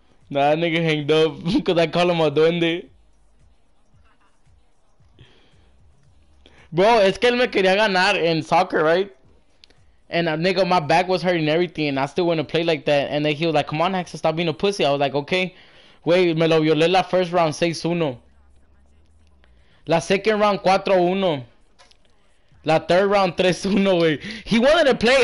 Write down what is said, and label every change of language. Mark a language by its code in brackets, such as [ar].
[en] Nah, that nigga hanged up because I call him a duende. [es] Bro, es que él me quería ganar in soccer, right? [en] And a nigga, my back was hurting everything, and I still want to play like that. And then he was like, come on, Axel, stop being a pussy. I was like, okay. Wait, me lo violé la first round, 6-1. La second round, 4-1. La third round, 3-1, wey. He wanted to play.